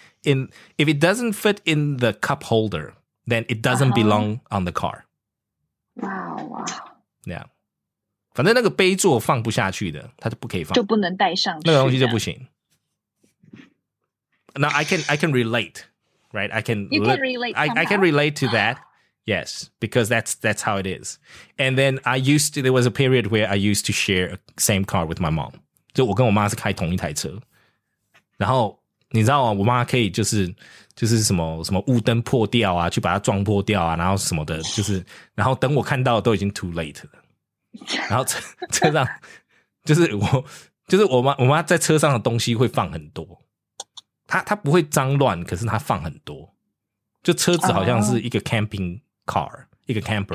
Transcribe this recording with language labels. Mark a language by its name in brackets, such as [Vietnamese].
[English] If it doesn't fit in the cup holder, then it doesn't belong on the car. Wow. Yeah. [Chinese] 反正那个杯座放不下去的它就不可以放。就不能带上去。那个东西就不行。 [English] Now, I can relate, right? I can relate to that. Yes, because that's how it is. And then there was a period where I used to share the same car with my mom. [Chinese] 就我跟我妈是开同一台车。然后你知道啊，我妈可以就是什么雾灯破掉啊，去把它撞破掉啊，然后什么的，就是然后等我看到都已经 [English] too late [Chinese] 了。然后车上就是我妈在车上的东西会放很多，她不会脏乱，可是她放很多，就车子好像是一个 [English] camping car、 [Chinese] oh. 一个 camper